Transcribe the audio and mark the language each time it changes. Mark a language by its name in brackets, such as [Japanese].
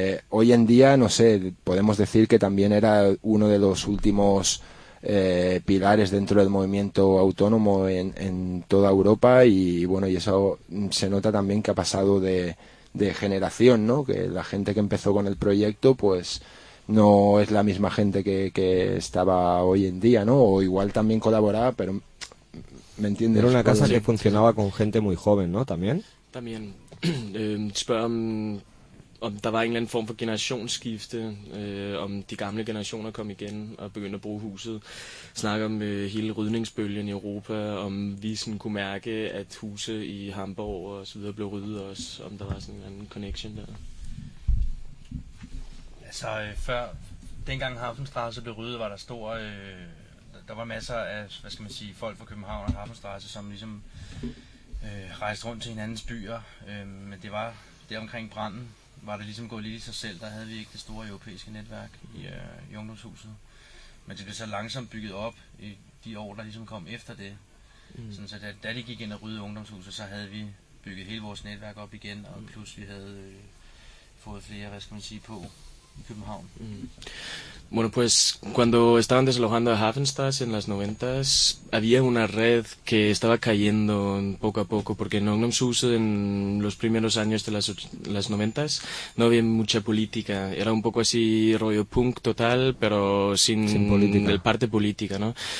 [Spanish] Hoy en día, no sé, podemos decir que también era uno de los últimos pilares dentro del movimiento autónomo en toda Europa y bueno, y eso se nota también que ha pasado de generación, ¿no? Que la gente que empezó con el proyecto, pues no es la misma gente que estaba hoy en día, ¿no? O igual también colaboraba, pero ¿me entiendes? Era una casa que funcionaba con gente muy joven, ¿no? También. También. [Danish] Om der var en eller anden form for generationsskifte, om de gamle generationer kom igen og begyndte at bruge huset. Snakker om hele rydningsbølgen i Europa, om vi sådan kunne mærke, at huse i Hamburg og så videre blev ryddet også, om der var sådan en anden connection der. Altså før, dengang Hafenstrasse blev ryddet, var der stor, der var masser af, hvad skal man sige, folk fra København og Hafenstrasse, som ligesom rejste rundt til hinandens byer, men det var der omkring branden. Var det ligesom gået lidt i sig selv, der havde vi ikke det store europæiske netværk i ungdomshuset. Men det blev så langsomt bygget op i de år, der ligesom kom efter det. Mm. Sådan, så da de gik ind og rydde ungdomshuset, så havde vi bygget hele vores netværk op igen, og plus vi havde fået flere, hvad skal man sige, på i København. Mm. [Spanish] Bueno, pues cuando estaban desalojando a Hafenstrasse en las 90s, había una red que estaba cayendo poco a poco, porque en ungdomshuset en los primeros años de las 90s no había mucha política. Era un poco así rollo punk total, pero sin parte política, ¿no?